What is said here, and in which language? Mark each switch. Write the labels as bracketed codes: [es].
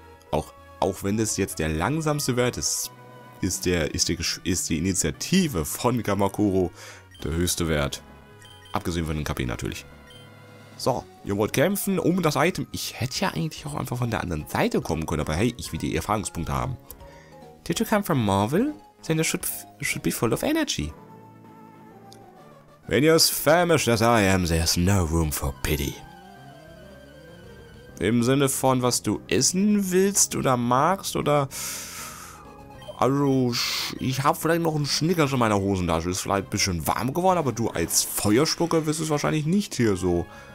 [de] Auch wenn das jetzt der langsamste Wert ist, ist die Initiative von Kamakuro der höchste Wert. Abgesehen von den KP natürlich. So, ihr wollt kämpfen um das Item. Ich hätte ja eigentlich auch einfach von der anderen Seite kommen können, aber hey, ich will die Erfahrungspunkte haben. [en] Did you come from Marvel? Then you should be full of energy. When you're as famished as I am, there's no room for pity. [de] Im Sinne von, was du essen willst oder magst oder... Also, ich habe vielleicht noch einen Snickers in meiner Hosentasche. Ist vielleicht ein bisschen warm geworden, aber du als Feuerspucker wirst es wahrscheinlich nicht hier so.